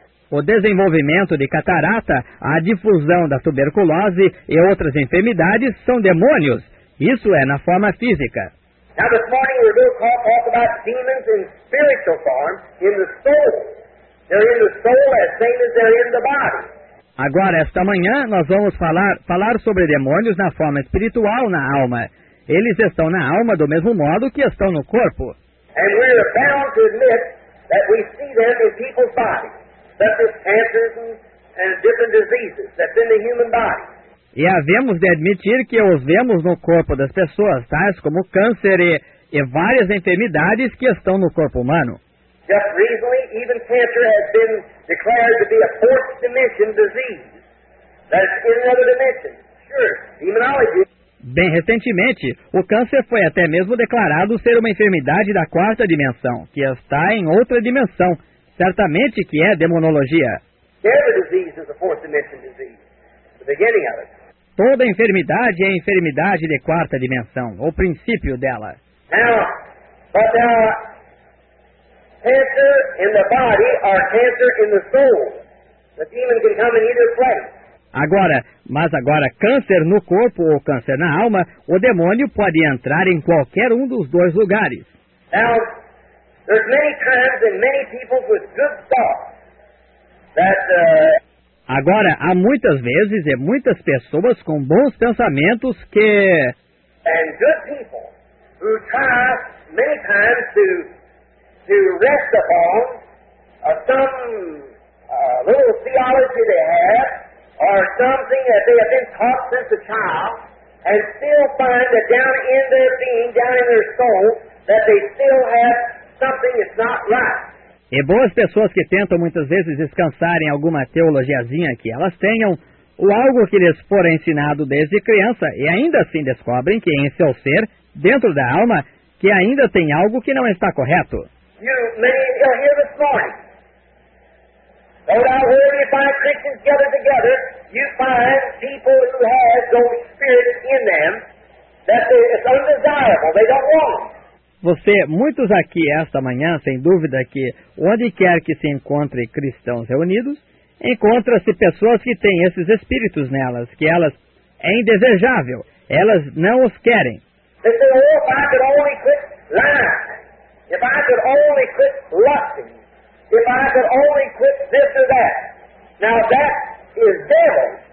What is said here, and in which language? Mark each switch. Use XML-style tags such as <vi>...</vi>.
<pt>O desenvolvimento de catarata, a difusão da tuberculose e outras enfermidades são demônios. Isso é na forma física.</pt> <en>Now this morning we're going to talk about demons in spiritual form, in the soul. They're in the soul as same as they're in the body.</en> <pt>Agora, esta manhã, nós vamos falar sobre demônios na forma espiritual, na alma. Eles estão na alma do mesmo modo que estão no corpo.</pt> <en>And we're bound to admit that we see them in people's bodies, such as cancers and different diseases that's in the human body.</en> <pt>E havemos de admitir que usemos no corpo das pessoas, tais como câncer e várias enfermidades que estão no corpo humano.</pt> <en>Just recently, even cancer has been declared to be a fourth dimension disease. That's in another dimension. Sure, demonology.</en> <pt>Bem recentemente, o câncer foi até mesmo declarado ser uma enfermidade da quarta dimensão, que está em outra dimensão. Certamente que é demonologia.</pt> <en>Every disease is a fourth dimension disease, the beginning of it.</en> <pt>Toda enfermidade é enfermidade de quarta dimensão, o princípio dela.</pt> <en>Now, but cancer in the body or cancer in the soul. The demon can come in either place.</en> <pt>Agora, câncer no corpo ou câncer na alma, o demônio pode entrar em qualquer um dos dois lugares.</pt> <en>Now, there's many times and many people with good thoughts that,</en> <pt>agora, há muitas vezes e muitas pessoas com bons pensamentos que...</pt> <en>And good people who try many times to rest upon some little theology they have or something that they have been taught since a child and still find that down in their being, down in their soul, that they still have something that's not right.</en> <pt>E boas pessoas que tentam muitas vezes descansar em alguma teologiazinha que elas tenham, ou algo que lhes for ensinado desde criança, e ainda assim descobrem que em seu ser, dentro da alma, que ainda tem algo que não está correto.</pt> <en>You may hear this morning. Though I heard you find Christians gathered together, you find people who have those spirits in them, that it's undesirable, they don't want them.</en> <pt>Você, muitos aqui esta manhã, sem dúvida que, onde quer que se encontre cristãos reunidos, encontra-se pessoas que têm esses espíritos nelas, que elas, é indesejável, elas não os querem.</pt> <en>They say, oh, if I could only quit lying, if I could only quit lusting, if I could only quit this or that, now that is devil.</en>